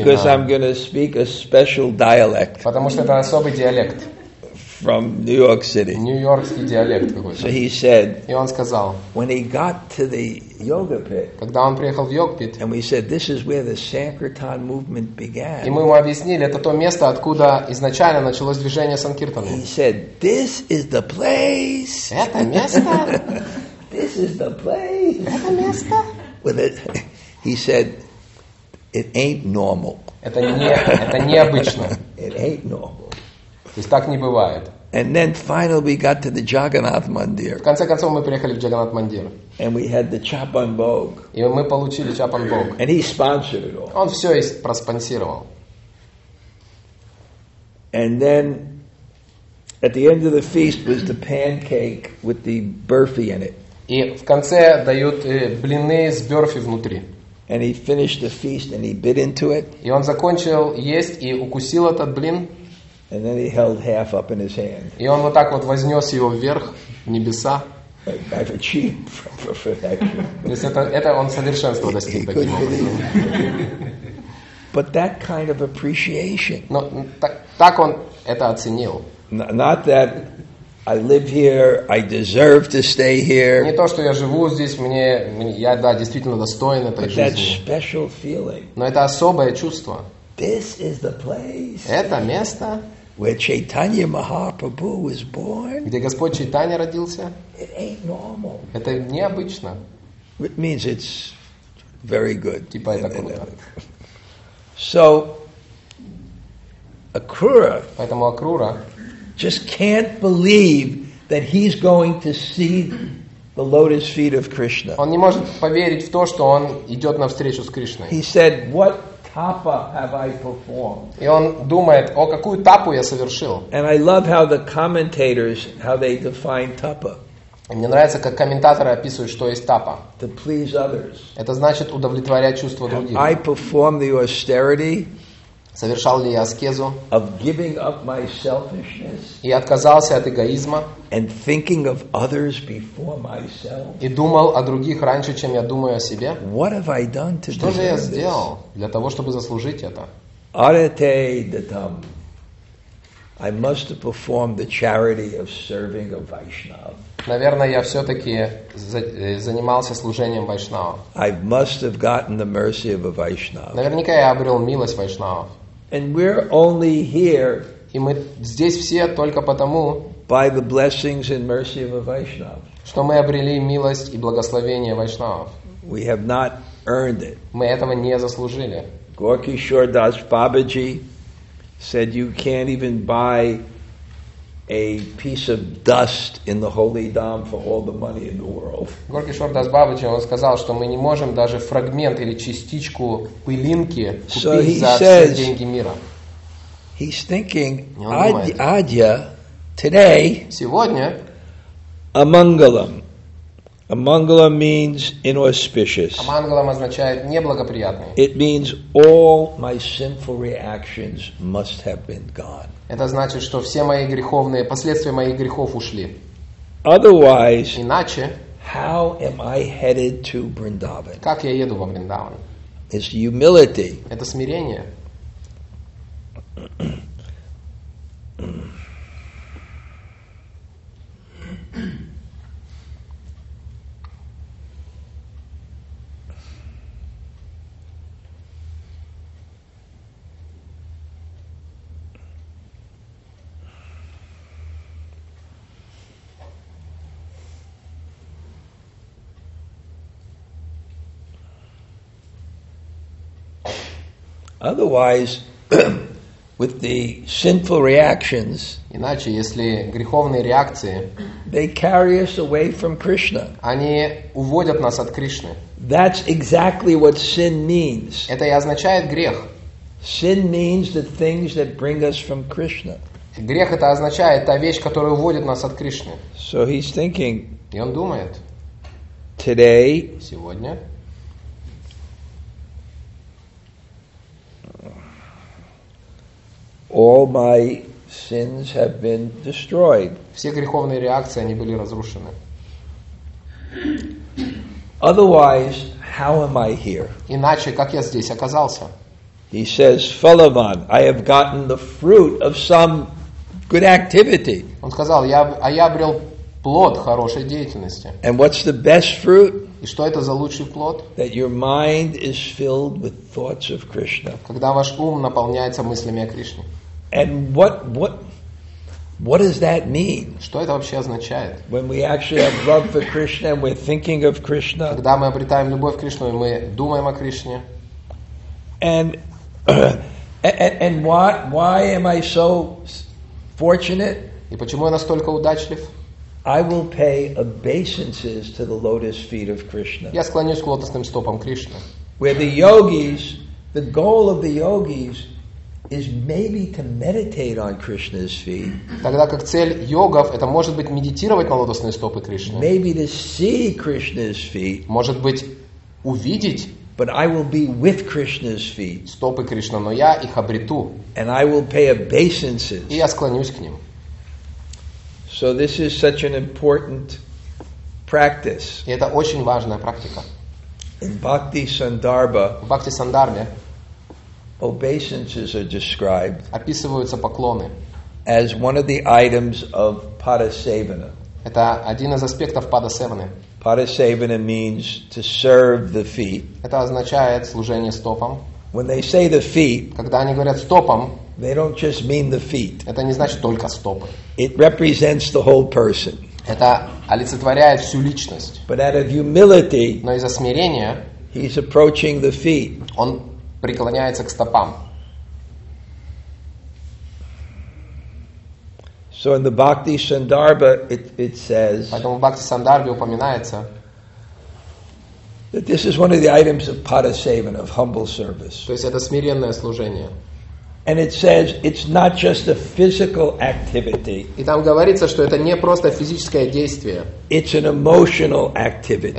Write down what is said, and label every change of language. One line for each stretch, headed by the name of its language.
English: Because I'm going to speak a special dialect.
Russian: Потому что это особый диалект.
English: From New York City.
Russian: Нью-йоркский диалект какой-то.
English: So he said.
Russian: И он сказал.
English: When he got to the yoga pit.
Russian: Когда он приехал в йога пит.
English: And we said, this is where the Sankirtan movement began.
Russian: И мы ему объяснили, это то место, откуда изначально началось движение санкиртаны.
English: He said, this is the place.
Russian: Это место.
English: This is the place.
Russian: Это место.
English: With it, he said, it ain't normal.
Russian: Это необычно.
English: It ain't normal.
Russian: То есть так не бывает.
English: And then finally we got to the Jagannath Mandir.
Russian: В конце концов мы приехали в Jagannath Mandir.
English: And we had the Chapan Bhog.
Russian: И мы получили Chapan Bhog.
English: And he sponsored it all.
Russian: Он все и проспонсировал.
English: And then at the end of the feast was the pancake with the burfi in it.
Russian: И в конце дают блины с бёрфи внутри.
English: And he finished the feast and he bit into it.
Russian: И он закончил есть и укусил этот блин.
English: And then he held half up in his hand.
Russian: И он вот так вот вознес его вверх, в небеса.
English: I've achieved perfection.
Russian: То есть это он совершенство достиг таким образом.
English: But that kind of appreciation.
Russian: Но так он это оценил.
English: Not that I live here, I deserve to stay here.
Russian: Не то, что я живу здесь, мне я да действительно достоин этой жизни.
English: But that special feeling.
Russian: Но это особое чувство.
English: This is the place.
Russian: Это место.
English: Where Chaitanya Mahaprabhu was born.
Russian: Где Господь Чайтанья родился?
English: It ain't normal.
Russian: Это необычно.
English: It means it's very good.
Russian: Типа это круто.
English: So Akrura.
Russian: Поэтому Акрура.
English: Just can't believe that he's going to see the lotus feet of Krishna.
Russian: Он не может поверить в то, что он идет на встречу с Кришной.
English: He said, "What?" Tapa have I performed?
Russian: И он думает, о какую тапу я совершил?
English: And I love how the commentators how they define tapa.
Russian: И мне нравится, как комментаторы описывают, что есть тапа.
English: To please others.
Russian: Это значит удовлетворять чувства других.
English: I perform the austerity.
Russian: Совершал ли я аскезу?
English: Of giving up my selfishness.
Russian: И отказался от эгоизма.
English: And thinking of others before myself.
Russian: И думал о других раньше, чем я думаю о себе.
English: What have I done to
Russian: что же я сделал для того, чтобы заслужить это? Arete datam.
English: I must perform the charity of serving a Vaishnav.
Russian: Наверное, я все-таки занимался служением Вайшнава.
English: I must have gotten the mercy of a Vaishnav.
Russian: Наверняка я обрел милость Вайшнава.
English: And we're only here.
Russian: И мы здесь все только потому.
English: By the blessings and mercy of a Vaishnav.
Russian: Что мы обрели милость и благословение Вайшнавов.
English: We have not earned it.
Russian: Мы этого не заслужили.
English: Gaurkishore Das Babaji said, "You can't even buy a piece of dust in the holy dham for all the money in the world."
Russian: Gaurkishore Das Babaji, он сказал, что мы не можем даже фрагмент или частичку пылинки купить за все деньги мира.
English: He's thinking, Adya, today,
Russian: сегодня, Амангалам.
English: Амангалам means inauspicious.
Russian: Амангалам означает неблагоприятный.
English: It means all my sinful reactions must have been gone.
Russian: Это значит, что все мои греховные последствия моих грехов ушли.
English: Otherwise,
Russian: иначе,
English: how am I headed to Vrindavan?
Russian: Как я еду во Вриндаван?
English: It's humility.
Russian: Это смирение.
English: Otherwise, with the sinful reactions,
Russian: иначе, если греховные реакции,
English: they carry us away from Krishna.
Russian: Они уводят нас от Кришны.
English: That's exactly what sin means.
Russian: Это и означает грех.
English: Sin means the things that bring us from Krishna.
Russian: Грех это означает та вещь, которая уводит нас от Кришны.
English: So he's thinking.
Russian: И он думает.
English: Today.
Russian: Сегодня.
English: All my sins have been destroyed.
Russian: Все греховные реакции, они были разрушены.
English: Otherwise, how am I here?
Russian: Иначе, как я здесь оказался?
English: He says, Phalavan, I have gotten the fruit of some good activity.
Russian: Он сказал, я обрел плод хорошей деятельности.
English: And what's the best fruit?
Russian: И что это за лучший плод?
English: That your mind is filled with thoughts of Krishna.
Russian: Когда ваш ум наполняется мыслями о Кришне.
English: And what does that mean?
Russian: Что это вообще означает?
English: When we actually have love for Krishna and we're thinking of Krishna.
Russian: Когда мы обретаем любовь к Кришне и мы думаем о Кришне.
English: And why am I so fortunate?
Russian: И почему я настолько удачлив?
English: I will pay obeisances to the lotus feet of Krishna.
Russian: Я склонюсь к лотосным стопам Кришны.
English: Where the yogis, the goal of the yogis is maybe to meditate on Krishna's feet.
Russian: Тогда как цель йогов это может быть медитировать на лотосные стопы Кришны.
English: Maybe to see Krishna's feet.
Russian: Может быть увидеть.
English: But I will be with Krishna's feet.
Russian: Стопы Кришны, но я их обрету.
English: And I will pay obeisances.
Russian: И я склонюсь к ним.
English: So this is such an important practice.
Russian: И это очень важная практика.
English: In Bhakti Sandarbha.
Russian: В Бхакти Сандарбе.
English: Obeisances are described
Russian: описываются поклоны
English: as one of the items of padasevana.
Russian: Это один из аспектов падасеваны.
English: Padasevana means to serve the feet.
Russian: Это означает служение стопам.
English: When they say the feet,
Russian: когда они говорят стопам,
English: they don't just mean the feet.
Russian: Это не значит только стопы.
English: It represents the whole person.
Russian: Это олицетворяет всю личность.
English: But out of humility,
Russian: но из-за смирения,
English: he's approaching the feet.
Russian: Он преклоняется к стопам.
English: So in the Bhakti Sandarbha it says.
Russian: Поэтому в Бхакти Сандарбе упоминается.
English: That this is one of the items of padasevana, of humble service.
Russian: То есть это смиренное служение.
English: And it says it's not just a physical activity.
Russian: И там говорится, что это не просто физическое действие.
English: It's an emotional activity.